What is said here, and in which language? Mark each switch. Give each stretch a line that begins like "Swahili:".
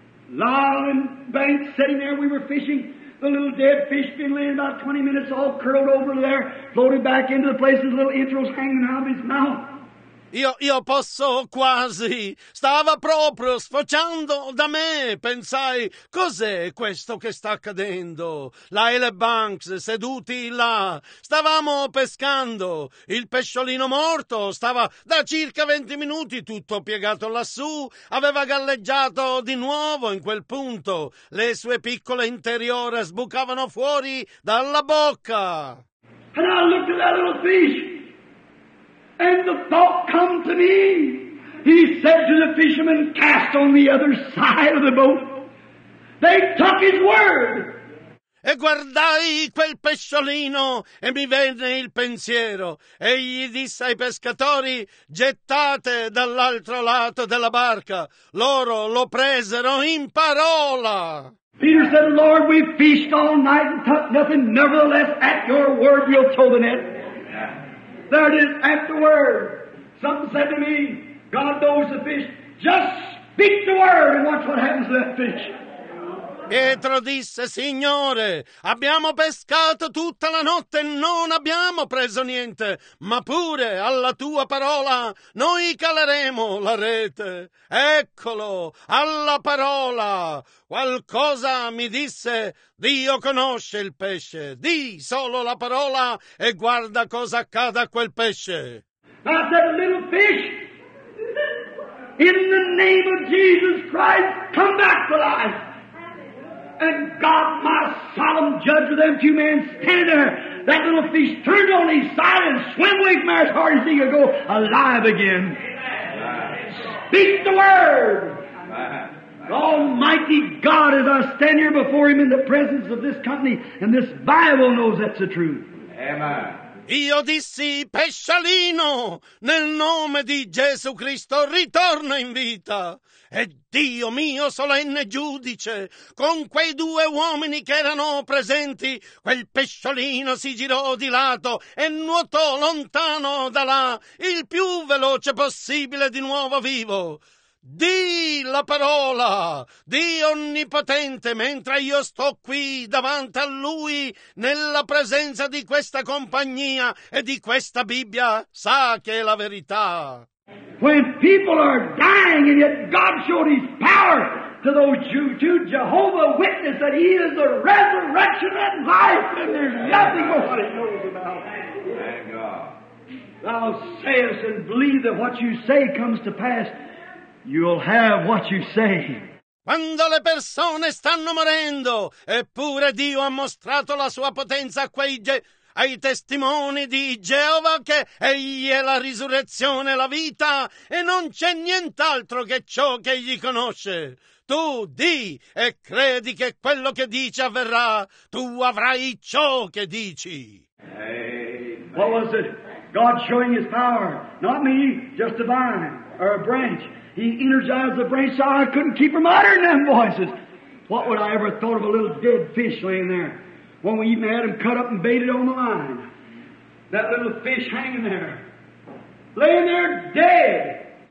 English: Lyle and Banks sitting there, we were fishing, the little dead fish been laying about 20 minutes all curled over there, floated back into the place, his little entrails hanging out of his mouth.
Italian: Io posso quasi, stava proprio sfociando da me, pensai, cos'è questo che sta accadendo? Lyle e Banks seduti là, stavamo pescando, il pesciolino morto stava da circa 20 minuti tutto piegato lassù, aveva galleggiato di nuovo in quel punto, le sue piccole interiore sbucavano fuori dalla bocca.
English: And I looked at that little fish. And the thought come to me, he said to the fishermen, cast on the other side of the boat. They took his word.
Italian: E guardai quel pesciolino e mi venne il pensiero. Egli disse ai pescatori, gettate dall'altro lato della barca. Loro lo presero in parola.
English: Peter said, Lord, we fished all night and took nothing. Nevertheless, at your word, we'll throw the net. There it is, afterward. Something said to me, God knows the fish. Just speak the word and watch what happens to that fish.
Italian: Pietro disse, Signore, abbiamo pescato tutta la notte e non abbiamo preso niente, ma pure alla tua parola noi caleremo la rete. Eccolo, alla parola. Qualcosa mi disse, Dio conosce il pesce, di solo la parola e guarda cosa accade a quel pesce.
English: That little fish, in the name of Jesus Christ, come back to life. And God, my solemn judge of them two men standing there, that little fish turned on his side and swam away from there as hard as he could go, alive again. Amen. Speak the word. Amen. Almighty God, as I stand here before him in the presence of this company, and this Bible knows that's the truth. Amen.
Italian: Io dissi, pesciolino, nel nome di Gesù Cristo, ritorna in vita. E Dio mio solenne giudice, con quei due uomini che erano presenti, quel pesciolino si girò di lato e nuotò lontano da là, il più veloce possibile di nuovo vivo. Di la parola, di onnipotente, mentre io sto qui davanti a lui, nella presenza di questa compagnia e di questa Bibbia, sa che è la verità.
English: When people are dying and yet God showed his power to those Jews, to Jehovah Witness that he is the resurrection and life and there's nothing nobody knows about. Thank God. Thou sayest and believe that what you say comes to pass. You'll have what you say.
Italian: Quando le persone stanno morendo, eppure Dio ha mostrato la sua potenza a quei ai testimoni di Geova che egli è la risurrezione, la vita, e non c'è nient'altro che ciò che egli conosce. Tu di e credi che quello che dici avverrà, tu avrai ciò che dici. Amen.
English: What was it? God showing his power. Not me, just a vine or a branch. He energized the brain so I couldn't keep from uttering them voices. What would I ever have thought of a little dead fish laying there when we even had him cut up and baited on the line? That little fish hanging there, laying there dead.